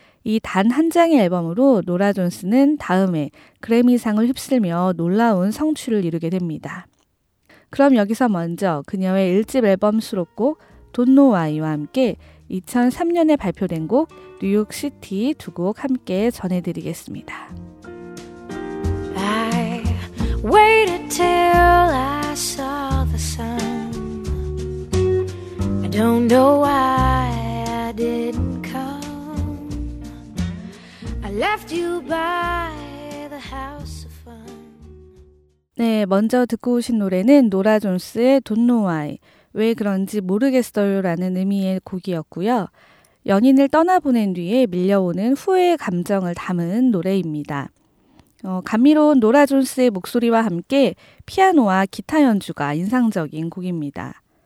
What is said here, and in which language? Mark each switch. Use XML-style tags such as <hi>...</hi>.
<ko>이 단 한 장의 앨범으로 노라 존스는 다음에 그래미상을 휩쓸며 놀라운 성취를 이루게 됩니다. 그럼 여기서 먼저 그녀의 1집 앨범 수록곡 Don't Know Why와 함께 2003년에 발표된 곡 뉴욕 시티 두 곡 함께 전해드리겠습니다.</ko> <en>I waited till I saw the sun. I don't know why I didn't come. I left you by the house.</en> <ko>네, 먼저 듣고 오신 노래는 노라 존스의 Don't Know Why, 왜 그런지 모르겠어요 라는 의미의 곡이었고요. 연인을 떠나보낸 뒤에 밀려오는 후회의 감정을 담은 노래입니다. 감미로운 노라 존스의 목소리와 함께 피아노와 기타 연주가 인상적인 곡입니다.</ko>